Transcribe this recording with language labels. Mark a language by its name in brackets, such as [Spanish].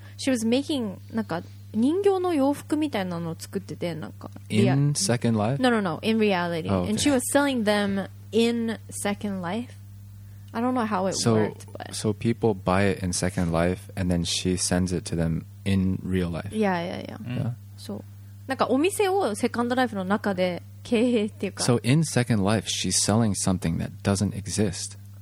[English] She was making [Japanese] なんか人形の洋服みたいなのを作ってて、なんか [English] in Second Life? No, in reality. Oh, okay. And she was selling them in Second Life. I don't know how it worked, but so people buy it in Second Life and then she sends it to them in real life. Yeah. Mm. [Japanese] So なんかお店をセカンドライフの中で経営っていうか。 [English] So in Second Life, she's selling something that doesn't exist.